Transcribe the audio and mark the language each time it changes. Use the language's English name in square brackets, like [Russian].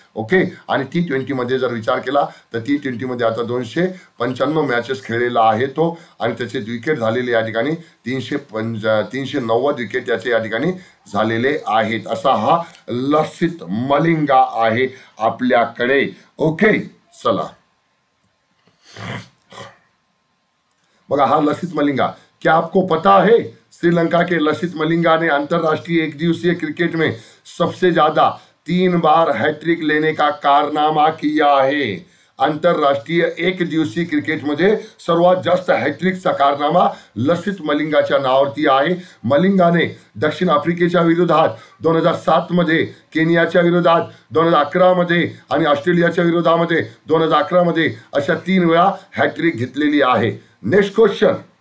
[Marathi] Okay, आणि T20 जर विचार केला तर T20 आता 295 खेळलेला आहे तो आणि त्याचे विकेट झालेले या ठिकाणी 390 त्याचे या ठिकाणी झालेले आहेत. असा हा लसित मलिंगा आहे आपल्याकडे. ओके, चला बघा हा लसित मलिंगा. [Hindi] क्या आपको पता है श्रीलंका के लसित मलिंगा ने अंतरराष्ट्रीय एक दिवसीय क्रिकेट में सबसे ज्यादा 3 हैट्रिक लेने का कारनामा किया है. [Marathi] आंतरराष्ट्रीय एक दिवसीय क्रिकेटमध्ये सर्वात जास्त हॅट्रिकचा कारनामा लसित मलिंगाच्या नावावरती आहे. मलिंगाने दक्षिण आफ्रिकेच्या विरोधात 2007 केनियाच्या विरोधात 2011 आणि ऑस्ट्रेलियाच्या विरोधामध्ये 2011 अशा 3 हॅट्रिक घेतलेली आहे. Next question.